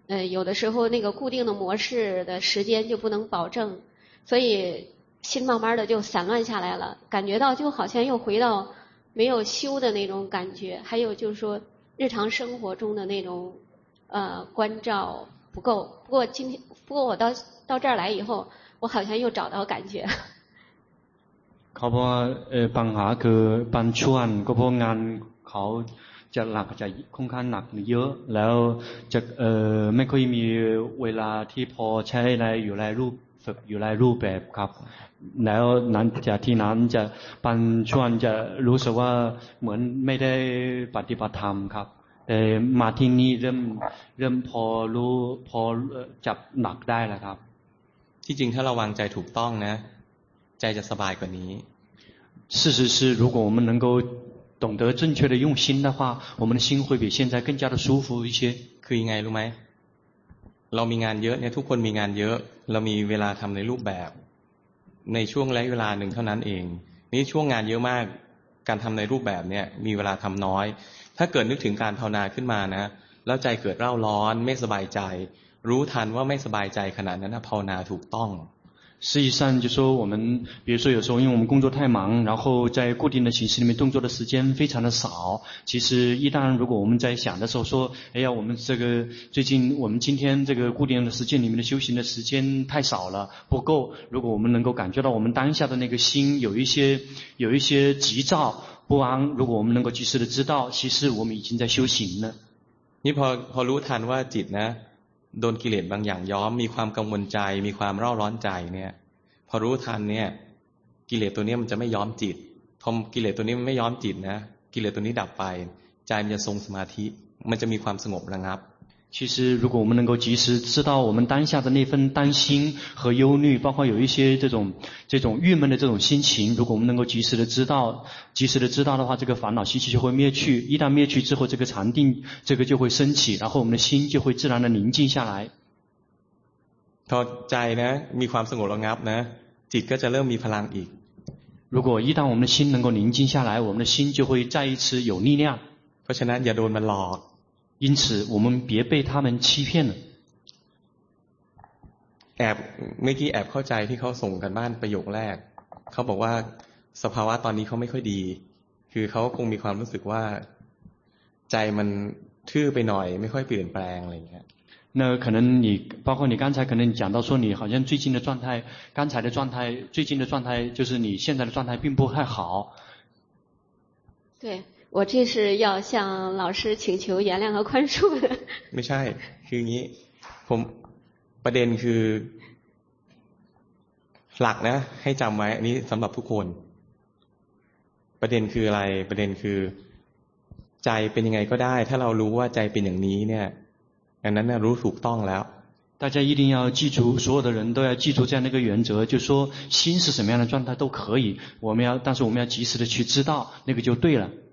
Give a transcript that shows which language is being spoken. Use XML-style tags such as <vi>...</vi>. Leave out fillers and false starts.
<zh>有的时候那个固定的模式的时间就不能保证，所以心慢慢的就散乱下来了，感觉到就好像又回到没有修的那种感觉，还有就是说日常生活中的那种关照不够。不过我到这儿来以后，我好像又找到感觉。</zh> <th>เขาบอกปัญหาคือปัญชวนก็เพราะงานเขาจะหลักจะค่อนข้างหนักเยอะแล้วจะไม่ค่อยมีเวลาที่พอใช้ในอยู่ในรูปฝึกอยู่ในรูปแบบครับแล้วนั้นจากที่นั้นจะปัญชวนจะรู้สึกว่าเหมือนไม่ได้ปฏิบัติธรรมครับแต่มาที่นี่เริ่มพอรู้พอจับหนักได้แล้วครับ ที่จริงถ้าระวังใจถูกต้องนะใจจะสบายกว่านี้</th> <zh>事实是如果我们能够懂得正确的用心的话我们的心会比现在更加的舒服一些</zh> <th>คือยังไงรู้ไหมเรามีงานเยอะเนี่ยทุกคนมีงานเยอะเรามีเวลาทำในรูปแบบในช่วงระยะเวลาหนึ่งเท่านั้นเองนี่ช่วงงานเยอะมากการทำในรูปแบบเนี่ยมีเวลาทำน้อยถ้าเกิดนึกถึงการภาวนาขึ้นมานะแล้วใจเกิดเร่าร้อนไม่สบายใจรู้ทันว่าไม่สบายใจขนาดนั้นนะภาวนาถูกต้อง</th> <zh>实际上就是说我们比如说有时候因为我们工作太忙然后在固定的形式里面动作的时间非常的少其实一旦如果我们在想的时候说哎呀我们这个最近我们今天这个固定的时间里面的修行的时间太少了不够如果我们能够感觉到我们当下的那个心有一些急躁不安如果我们能够及时的知道其实我们已经在修行了</zh> <th>你พอรู้ทันว่าจิตนะโดนกิเลสบางอย่างย้อมมีความกังวลใจมีความเร่าร้อนใจเนี่ยพอรู้ทันเนี่ยกิเลสตัวนี้มันจะไม่ย้อมจิตพอกิเลสตัวนี้มันไม่ย้อมจิตนะกิเลสตัวนี้ดับไปใจมันจะทรงสมาธิมันจะมีความสงบระงับ</th> <zh>其实如果我们能够及时知道我们当下的那份担心和忧虑包括有一些这种郁闷的这种心情如果我们能够及时的知道的话这个烦恼心情就会灭去一旦灭去之后这个禅定这个就会升起然后我们的心就会自然的宁静下来</zh> <th>พอใจนะมีความสงบระงับนะจิตก็จะเริ่มมีพลังอีก</th> <zh>如果一旦我们的心能够宁静下来我们的心就会再一次有力量</zh> <th>เพราะฉะนั้นอย่าโดนมันหลอก</th> <zh>因此我们别被他们欺骗了</zh> <th>แอบเมื่อกี้แอบเข้าใจที่เขาส่งกันบ้านประโยคแรกเขาบอกว่าสภาวะตอนนี้เขาไม่ค่อยดีคือเขาคงมีความรู้สึกว่าใจมันทื่อไปหน่อยไม่ค่อยเปลี่ยนแปลงอะไรอย่างเงี้ย</th> <zh>那可能你包括你刚才可能讲到说你好像最近的状态刚才的状态最近的状态就是你现在的状态并不太好。对，我这是要向老师请求原谅和宽恕的。</zh> <th>ไม่ใช่คืออย่างนี้ผมประเด็นคือหลักนะให้จำไว้อันนี้สำหรับทุกคนประเด็นคืออะไรประเด็นคือใจเป็นยังไงก็ได้ถ้าเรารู้ว่าใจเป็นอย่างนี้เนี่ยอันนั้นรู้ถูกต้องแล้ว</th> <zh>大家一定要记住所有的人都要记住这样的一个原则就是说心是什么样的状态都可以我们要但是我们要及时的去知道那个就对了</zh>